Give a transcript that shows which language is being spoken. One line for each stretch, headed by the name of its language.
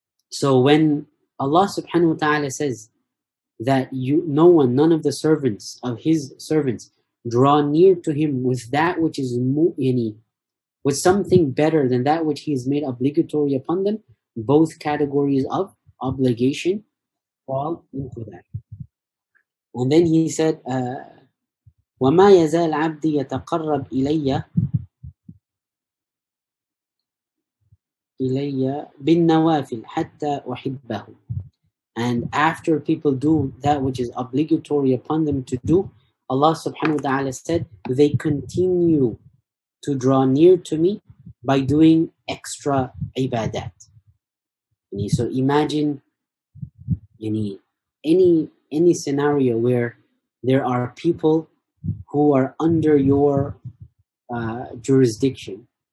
English: So when Allah subhanahu wa ta'ala says that none of the servants of his servants draw near to him with that which is yani, with something better than that which he has made obligatory upon them, both categories of obligation fall into that.
Arabic: And then he said, وَمَا يَزَالْ عَبْدِي يَتَقَرَّبْ إِلَيَّ بِالنَّوَافِلْ حَتَّى أُحِبَّهُ.
English: And after people do that which is obligatory upon them to do, Allah subhanahu wa ta'ala said, they continue to draw near to me by doing extra ibadat. So imagine any scenario where there are people who are under your jurisdiction.